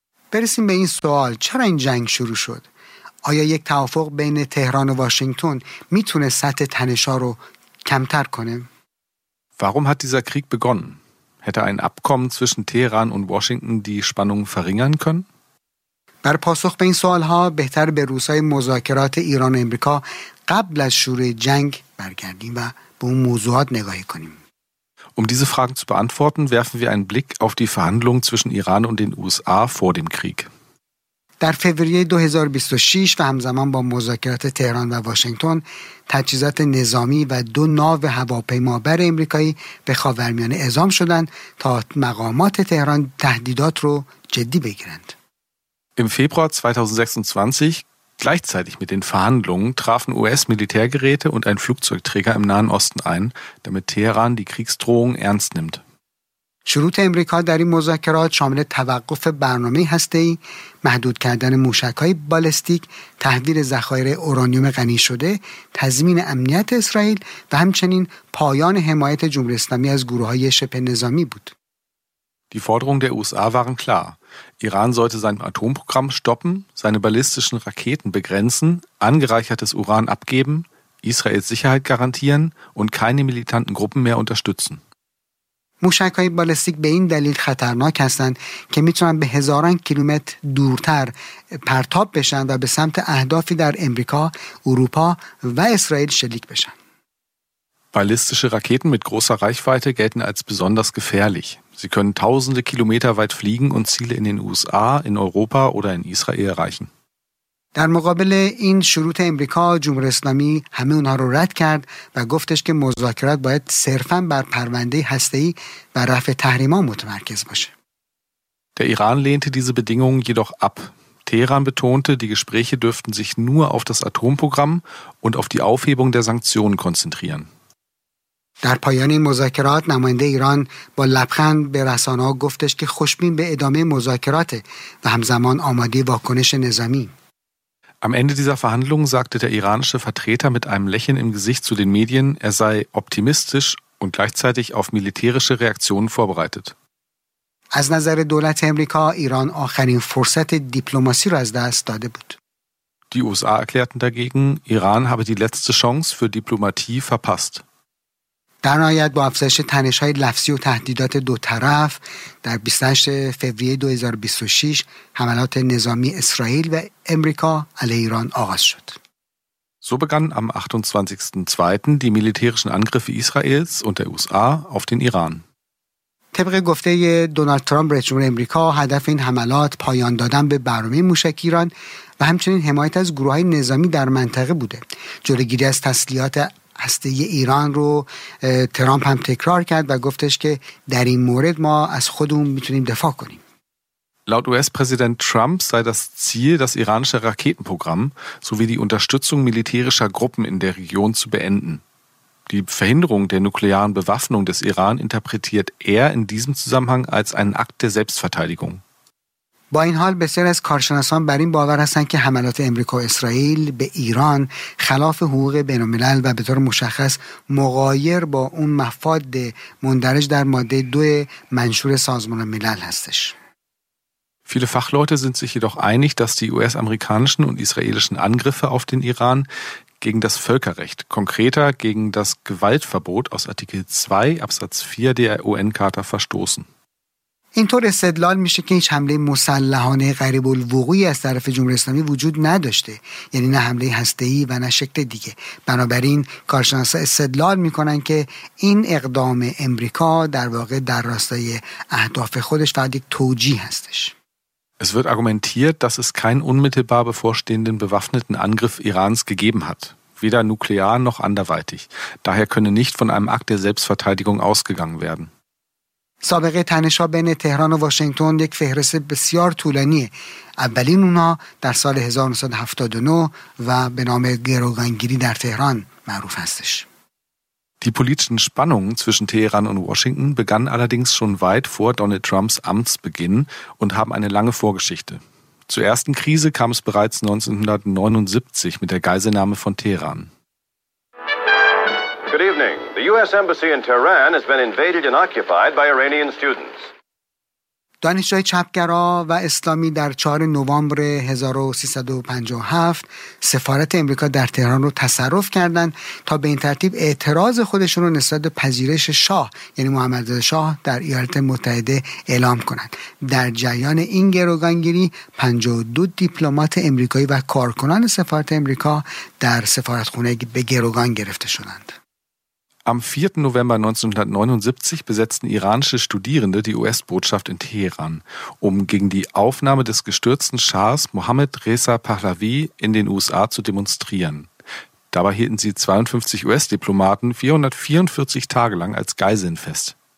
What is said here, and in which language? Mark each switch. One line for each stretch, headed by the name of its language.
Persian: برسیم به این سوال، چرا این جنگ شروع شد؟ آیا یک توافق بین تهران و واشنگتن میتونه سطح تنش‌ها رو کمتر کنه؟
German: Warum hat dieser Krieg begonnen? Hätte ein Abkommen zwischen Teheran und Washington die Spannung verringern können?
Persian: بر پاسخ به این سوال‌ها بهتر به روزهای مذاکرات ایران و امریکا قبل از شروع جنگ برگردیم و به اون موضوعات نگاهی کنیم.
German: Diese Fragen zu beantworten, werfen wir einen Blick auf die Verhandlungen zwischen Iran und den USA vor dem Krieg.
Persian: در فوریه 2026 و همزمان با مذاکرات تهران و واشنگتن، تجهیزات نظامی و دو ناو هواپیمابر آمریکایی به خاورمیانه اعزام شدند تا مقامات تهران تهدیدات رو جدی بگیرند.
German: Im Februar 2026, gleichzeitig mit den Verhandlungen, trafen US-Militärgeräte und ein Flugzeugträger im Nahen Osten ein, damit Teheran die Kriegsdrohung ernst nimmt.
Persian: شروط امریکا در این مذاکرات شامل توقف برنامه هسته‌ای، محدود کردن موشک‌های بالستیک، تحویل ذخایر اورانیوم غنی شده، تضمین امنیت اسرائیل و همچنین پایان حمایت جمهوری اسلامی از گروه‌های شبه نظامی بود.
German: Die Forderungen der USA waren klar. Iran sollte sein Atomprogramm stoppen, seine ballistischen Raketen begrenzen, angereichertes Uran abgeben, Israels Sicherheit garantieren und keine militanten Gruppen mehr unterstützen.
Persian: موشک‌های بالستیک به این دلیل خطرناک هستند که میتونن به هزاران کیلومتر دورتر پرتاب بشن و به سمت اهدافی در امریکا، اروپا و اسرائیل شلیک بشن.
German: Ballistische Raketen mit großer Reichweite gelten als besonders gefährlich. Sie können tausende Kilometer weit fliegen und Ziele in den USA, in Europa oder in Israel erreichen.
Persian: در مقابل این شروط امریکا، جمهوری اسلامی همه اونها رو رد کرد و گفتش که مذاکرات باید صرفاً بر پرونده هسته‌ای و رفع تحریم‌ها متمرکز باشه.
German: Der Iran lehnte diese Bedingungen jedoch ab. Teheran betonte, die Gespräche dürften sich nur auf das Atomprogramm und auf die Aufhebung der Sanktionen konzentrieren.
Persian: در پایان مذاکرات نماینده ایران با لبخند به رسانه‌ها گفتش که خوشبین به ادامه مذاکرات و همزمان آماده واکنش نظامی.
German: Am Ende dieser Verhandlungen sagte der iranische Vertreter mit einem Lächeln im Gesicht zu den Medien, er sei optimistisch und gleichzeitig auf militärische Reaktionen vorbereitet.
Persian: از نظر دولت امریکا ایران آخرین فرصت دیپلماسی را از دست داده بود.
German: Die USA erklärten dagegen, Iran habe die letzte Chance für Diplomatie verpasst.
Persian: در نهایت با افزایش تنش‌های لفظی و تهدیدات دو طرف در 28 فوریه 2026 حملات نظامی اسرائیل و امریکا علیه ایران آغاز شد.
German: So begann am 28.2. die militärischen Angriffe Israels und der USA auf den Iran.
Persian: طبق گفته دونالد ترامپ رئیس جمهور امریکا هدف این حملات پایان دادن به برنامه موشک ایران و همچنین حمایت از گروه‌های نظامی در منطقه بوده. جلوگیری از تسلیحات هسته ایران رو ترامپ هم تکرار کرد و گفتش که در این مورد ما از خودمون میتونیم دفاع کنیم.
German: Laut US-Präsident Trump sei das Ziel, das iranische Raketenprogramm sowie die Unterstützung militärischer Gruppen in der Region zu beenden. Die Verhinderung der nuklearen Bewaffnung des Iran interpretiert in diesem Zusammenhang als einen Akt der Selbstverteidigung.
Persian: با این حال بسیار از کارشناسان بر این باور هستند که حملات امریکا و اسرائیل به ایران خلاف حقوق بین الملل و به طور مشخص مغایر با اون مفاد مندرج در ماده 2 منشور سازمان ملل هستش.
German: Viele Fachleute sind sich jedoch einig, dass die US-amerikanischen und israelischen Angriffe auf den Iran gegen das Völkerrecht, konkreter gegen das Gewaltverbot aus Artikel 2 Absatz 4 der UN-Charta verstoßen.
Persian: اینطور استدلال میشه که هیچ حمله مسلحانه غریب الوقوعی از طرف جمهوری اسلامی وجود نداشته، یعنی نه حمله هسته‌ای و نه شکل دیگه. بنابراین کارشناسا استدلال میکنن که این اقدام امریکا در واقع در راستای اهداف خودش فقط یک توجیه هستش.
German: Es wird argumentiert, dass es keinen unmittelbar bevorstehenden bewaffneten Angriff Irans gegeben hat, weder nuklear noch anderweitig. Daher könne nicht von einem Akt der Selbstverteidigung ausgegangen werden.
Persian: سابقه تنش‌ها بین تهران و واشنگتن یک فهرست بسیار طولانیه. اولین اونا در سال 1979 و به نام گروگانگیری در تهران معروف هستش.
German: Die politischen Spannungen zwischen Teheran und Washington begannen allerdings schon weit vor Donald Trumps Amtsbeginn und haben eine lange Vorgeschichte. Zur ersten Krise kam es bereits 1979 mit der Geiselnahme von Teheran.
English: Good evening. The U.S. Embassy in Tehran has been invaded and occupied by Iranian students.
Persian: دانشجوی چپگرا و اسلامی در 4 نوامبر 1357 سفارت امریکا در تهران رو تصرف کردند تا به این ترتیب اعتراض خودشون رو نسبت به پذیرش شاه یعنی محمد رضا شاه در ایالات متحده اعلام کنند. در جریان این گروگانگیری 52 دیپلمات امریکایی و کارکنان سفارت امریکا در سفارتخانه به گروگان گرفته شدند.
German: Am 4. November 1979 besetzten iranische Studierende die US-Botschaft in Teheran, um gegen die Aufnahme des gestürzten Schahs Mohammad Reza Pahlavi in den USA zu demonstrieren. Dabei hielten sie 52 US-Diplomaten 444 Tage lang als Geiseln fest.